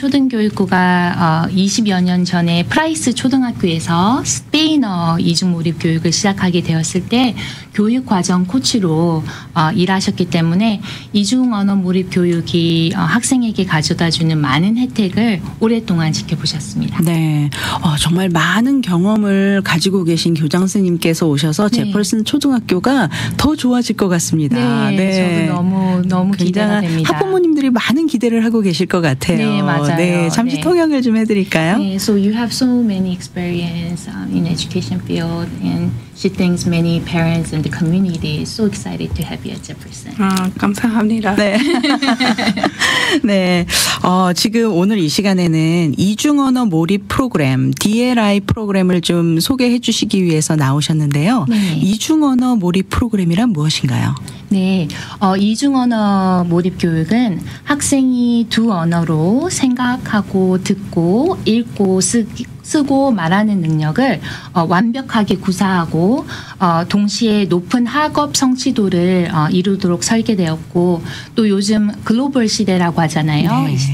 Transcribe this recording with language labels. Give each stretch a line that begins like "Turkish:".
Korean: 초등교육부가 20여 년 전에 프라이스 초등학교에서 스페인어 이중 몰입 교육을 시작하게 되었을 때 교육 과정 코치로 일하셨기 때문에 이중 언어 몰입 교육이 학생에게 가져다주는 많은 혜택을 오랫동안 지켜보셨습니다. 네, 정말 많은 경험을 가지고 계신 교장 선생님께서 오셔서 네. 제퍼슨 초등학교가 더 좋아질 것 같습니다. 네, 네. 저도 너무 기대가 됩니다. 학부모님들이 많은 기대를 하고 계실 것 같아요. 네, 맞아요. 네, 잠시 네. 통역을 좀 해드릴까요? 네,
English: so you have so many experience in education field and she thinks many parents and the community is so excited to have you at Jefferson.
Korean: 아, 감사합니다. 네. 네. 지금 오늘 이 시간에는 이중언어 몰입 프로그램, DLI 프로그램을 좀 소개해 주시기 위해서 나오셨는데요. 네. 이중언어 몰입 프로그램이란 무엇인가요? 네. 이중언어 몰입 교육은 학생이 두 언어로 생각하고 듣고 읽고 쓰고 말하는 능력을 완벽하게 구사하고 동시에 높은 학업 성취도를 이루도록 설계되었고 또 요즘 글로벌 시대라고 하잖아요. 네.